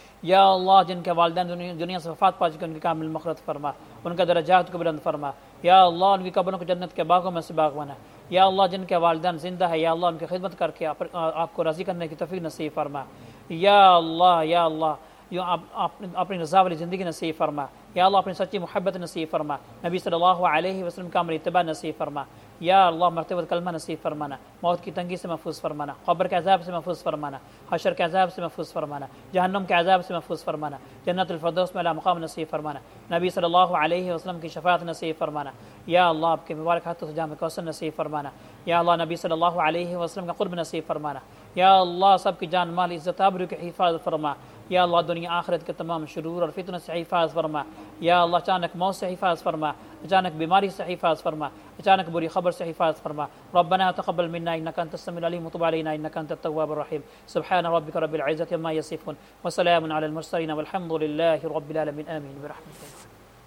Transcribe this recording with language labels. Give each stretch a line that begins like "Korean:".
Urdu: یا اللہ جن کے والدین دنیا سے وفات پا چکے ان کے کامل مقصد فرما ان کا درجات کو بلند فرما یا اللہ ان کی قبروں کو جنت کے باغوں میں سباق بنا یا اللہ جن کے والدین زندہ ہے یا اللہ ان کی خدمت کر کے آپ کو راضی کرنے کی توفیق نصیب فرما یا اللہ یوں آپ اپنی رضا والی زندگی نصیب فرما یا اللہ اپنی سچی محبت نصیب فرما نبی صلی اللہ علیہ وسلم کا عمل اتباع نصیب فرما یا اللہ مرتبہ کلمہ نصیب فرمانا، موت کی تنگی سے محفوظ فرمانا، قبر کے عذاب سے محفوظ فرمانا، حشر کے عذاب سے محفوظ فرمانا، جہنم کے عذاب سے محفوظ فرمانا، جنت الفردوس میں اعلیٰ مقام نصیب فرمانا، نبی صلی اللہ علیہ وسلم کی شفاعت نصیب فرمانا، یا اللہ آپ کے مبارک ہاتھوں سے جام کوثر نصیب فرمانا، یا اللہ نبی صلی اللہ علیہ وسلم کا قرب نصیب فرمانا، یا اللہ سب کی جان مال عزت آبرو کی حفاظت فرما، یا اللہ دنیا آخرت کے تمام شرور اور فتنوں سے حفاظ فرما، یا اللہ اچانک موت سے حفاظ فرما، اچانک بیماری سے حفاظ فرما، اچانک بری خبر سے حفاظ فرما.
Arabic: ربنا تقبل منا انک انت السميع العليم، وتب علينا انک انت التواب الرحيم. سبحان ربك رب العزة عما يصفون، وسلام على المرسلين، والحمد لله رب العالمين. آمين برحمتك.